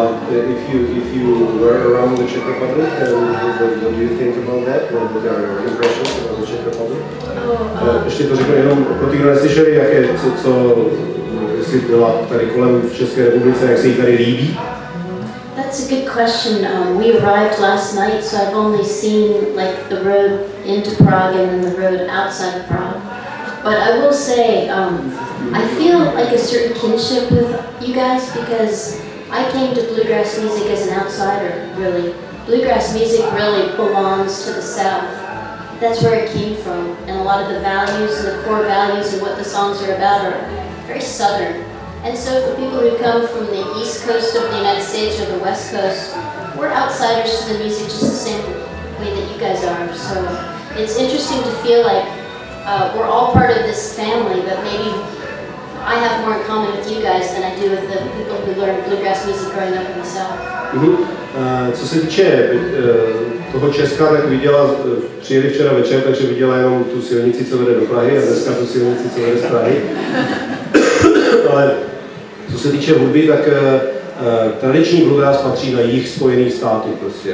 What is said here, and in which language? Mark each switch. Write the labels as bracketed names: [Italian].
[English] If you were around the Czech Republic, what do you think about that? What are your impressions about the Czech Republic? [Czech] Ještě to řeknu jenom pro ty, kdo neslyšeli, jaké, co jsi byla tady kolem v České republice, jak se jí tady líbí? [English] That's a good question. We arrived last night, so I've only seen like the road into Prague and then the road outside of Prague. But I will say, I feel like a certain kinship with you guys because I came to bluegrass music as an outsider, really. Bluegrass music really belongs to the South. That's where it came from. And a lot of the values and the core values of what the songs are about are very Southern. And so for people who come from the East Coast of the United States or the West Coast, we're outsiders to the music just the same way that you guys are. So it's interesting to feel like we're all part of this family, but maybe I have more in common with you guys than I do with the people who learned bluegrass music growing up in the South. [Czech] Co se týče toho Česka, tak viděla, přijeli včera večer, takže viděla jenom tu silnici, co vede do Prahy a dneska tu silnici, co vede z Prahy. Ale co se týče hudby, tak tradiční bluegrass patří na jih Spojených států prostě.